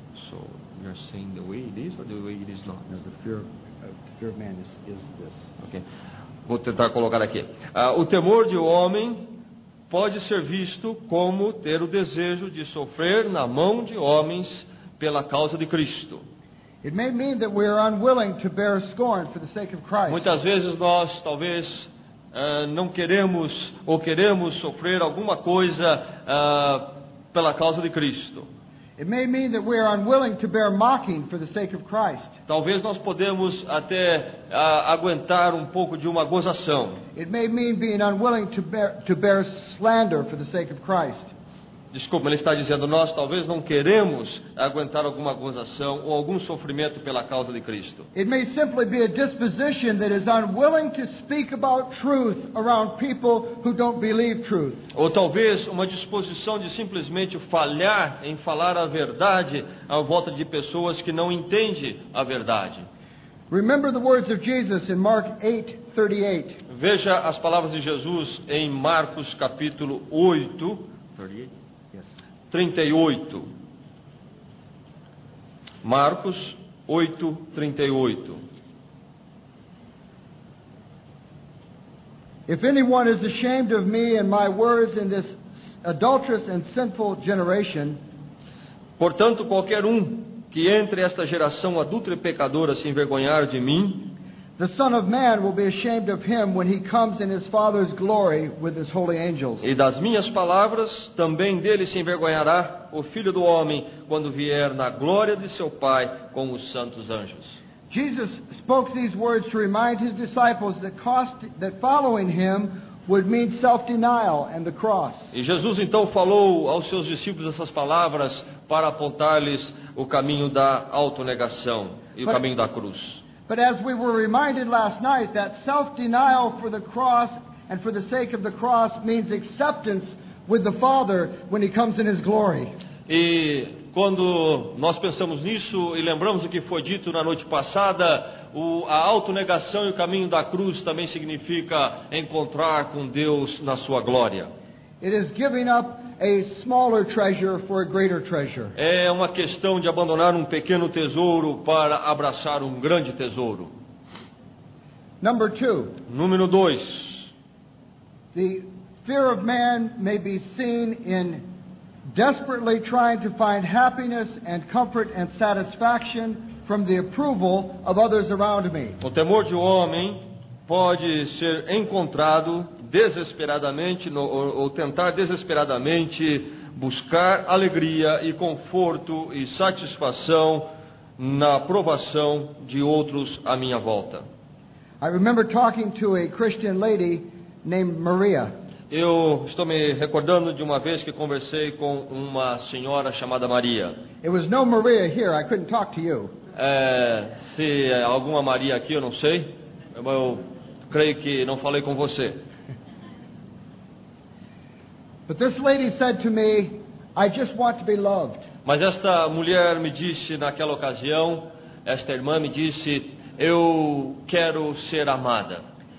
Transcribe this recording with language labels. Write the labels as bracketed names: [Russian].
[English] So you're saying the way it is or the way it is not? No, the fear of man is this. Okay. [Portuguese] Vou tentar colocar aqui. O temor de homem pode ser visto como ter o desejo de sofrer na mão de homens pela causa de Cristo. [English] It may mean that we are unwilling to bear scorn for the sake of Christ. [Portuguese] Muitas vezes nós talvez não queremos ou queremos sofrer alguma coisa pela causa de Cristo. [English] It may mean that we are unwilling to bear mocking for the sake of Christ. [Portuguese] Talvez nós podemos até aguentar um pouco de uma gozação. [English] It may mean being unwilling to bear slander for the sake of Christ. [Portuguese] Desculpa, ele está dizendo nós talvez não queremos aguentar alguma gozação ou algum sofrimento pela causa de Cristo. [English] It may simply be a disposition that is unwilling to speak about truth around people who don't believe truth. [Portuguese] Ou talvez uma disposição de simplesmente falhar em falar a verdade à volta de pessoas que não entendem a verdade. [English] Remember the words of Jesus in Mark 8:38. [Portuguese] Veja as palavras de Jesus em Marcos capítulo 8, 38. [English] 38. [Portuguese] Marcos 8:38. [English] If anyone is ashamed of me and my words in this adulterous and sinful generation, [Portuguese] portanto qualquer que entre esta geração adulta e pecadora se envergonhar de mim, [English] the Son of Man will be ashamed of him when he comes in his Father's glory with his holy angels. [Portuguese] E das minhas palavras, também dele se envergonhará o Filho do Homem quando vier na glória de seu Pai com os santos anjos. [English] Jesus spoke these words to remind his disciples that following him would mean self-denial and the cross. [Portuguese] E Jesus então falou aos seus discípulos essas palavras para apontar-lhes o caminho da autonegação e o caminho da cruz. [English] But as we were reminded last night, that self-denial for the cross and for the sake of the cross means acceptance with the Father when He comes in His glory. [Portuguese] E quando nós pensamos nisso e lembramos o que foi dito na noite passada, a autonegação e o caminho da cruz também significa encontrar com Deus na sua glória. [English] It is giving up a smaller treasure for a greater treasure. [Portuguese] É uma questão de abandonar pequeno tesouro para abraçar grande tesouro. [English] Number two. [Portuguese] Número dois. [English] The fear of man may be seen in desperately trying to find happiness and comfort and satisfaction from the approval of others around me. [Portuguese] O temor de homem pode ser encontrado desesperadamente ou tentar desesperadamente buscar alegria e conforto e satisfação na aprovação de outros à minha volta. [English] I remember talking to a Christian lady named Maria. [Portuguese] Eu estou me recordando de uma vez que conversei com uma senhora chamada Maria. [English] It was no Maria here. I couldn't talk to you. [Portuguese] Se é alguma Maria aqui, eu não sei. Eu creio que não falei com você. [English] But this lady said to me, I just want to be loved. [Portuguese] Mas esta mulher me disse naquela ocasião, esta irmã me disse, eu quero ser amada.